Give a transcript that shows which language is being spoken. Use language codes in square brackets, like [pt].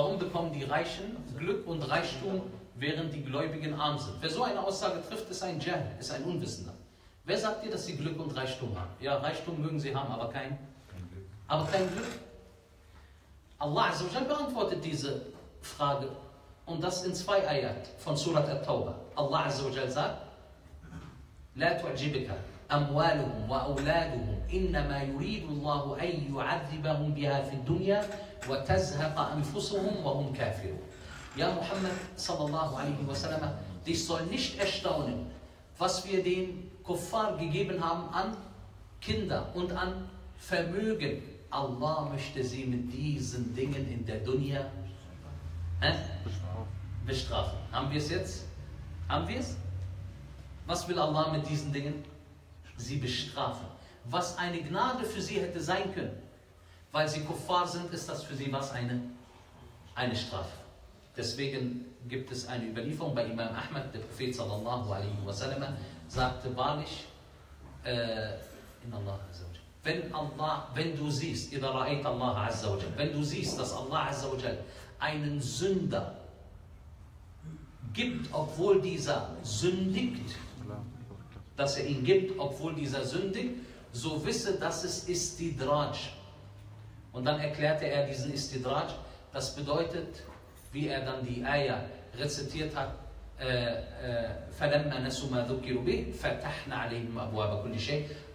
[de] Warum bekommen die Reichen Glück und Reichtum, während die Gläubigen arm sind? Wer so eine Aussage trifft, ist ein Jahl, ist ein Unwissender. Wer sagt dir, dass sie Glück und Reichtum haben? Ja, Reichtum mögen sie haben, aber kein Glück. Aber kein Glück? Allah Azzawajal beantwortet diese Frage und das in zwei Ayat von Surat At-Tawbah. Allah Azzawajal sagt, [ar] لا تعجبك أموالهم وأولادهم إنما يريد الله أن يعذبهم بها في الدنيا وتزهق أنفسهم وهم كافرون. [de] Ja, Muhammad sallallahu alaihi wa sallam, dich soll nicht erstaunen, was wir den Kuffar gegeben haben an Kinder und an Vermögen. Allah möchte sie mit diesen Dingen in der Dunya bestrafen. Haben wir es jetzt? Haben wir es? Was will Allah mit diesen Dingen? Sie bestrafen. Was eine Gnade für sie hätte sein können, weil sie Kuffar sind, ist das für sie was? Eine Strafe. Deswegen gibt es eine Überlieferung bei Imam Ahmad, der Prophet sallallahu alaihi wa sallam, sagte wahrlich, wenn du siehst, dass Allah azza wa jal einen Sünder gibt, obwohl dieser sündigt, dass er ihn gibt, obwohl dieser sündigt, so wisse, dass es Istidraj. Und dann erklärte er diesen Istidraj. Das bedeutet, wie er dann die Ayah rezitiert hat, [ar] فَلَمَّا نَسُوا مَا ذُكِّرُوا بِهِ فَتَحْنَا عَلَيْهِمْ أَبْوَابَ كُلِّ شَيْءٍ.